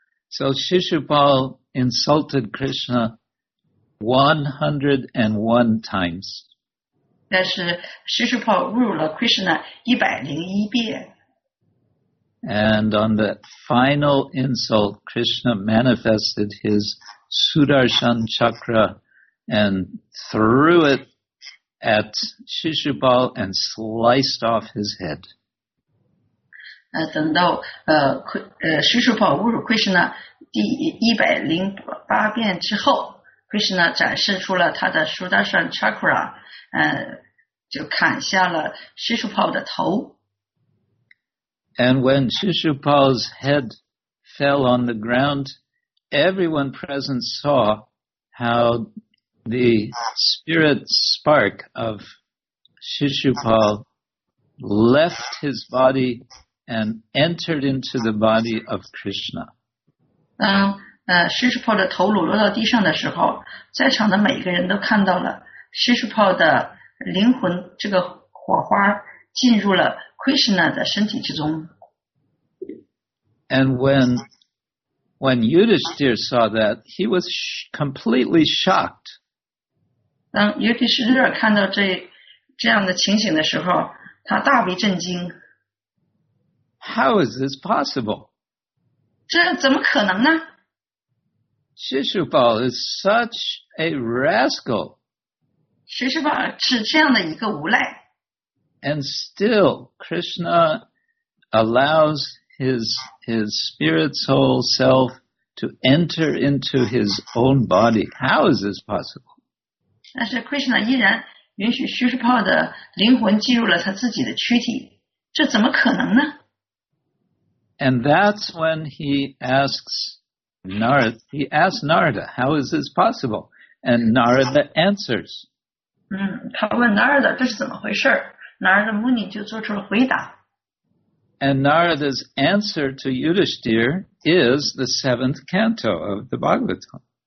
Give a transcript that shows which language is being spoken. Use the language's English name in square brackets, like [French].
[English] So, Shishupal insulted Krishna 101 times. [Chinese] 但是 Shishupal 侮辱了 Krishna 101遍。 [English] And on the final insult, Krishna manifested his Sudarshan Chakra and threw it at Shishupal and sliced off his head. [Chinese] 等到师叔宝侮辱 Krishna 第108遍之后 ，Krishna 展示出了他的 Sudarshan Chakra， 就砍下了师叔宝的头。 [English] And when Shishupal's head fell on the ground, everyone present saw how the spirit spark of Shishupal left his body. And entered into the body of Krishna. [Chinese] 当师叔炮的头颅落到地上的时候，在场的每一个人都看到了师叔炮的灵魂，这个火花进入了 Krishna 的身体之中。 [English] And when Yudhishthir saw that, he was completely shocked. [Chinese] 当 Yudhishthir 看到这样的情形的时候，他大为震惊。 [English] How is this possible? [Chinese] 这怎么可能呢? [English] Shishupal is such a rascal. [Chinese] Shishupal 是这样的一个无赖。 [English] And still, Krishna allows his spirit soul self to enter into his own body. How is this possible? [Chinese] 但是 Krishna 依然允许 Shishupal 的灵魂进入了他自己的躯体。这怎么可能呢? [English] And that's when he asks Narada, how is this possible? And Narada answers. [Chinese] 他问 Narada, 这是怎么回事?Narada Muni 就做出了回答。 [English] And Narada's answer to Yudhishthir is the 7th canto of the Bhagavatam.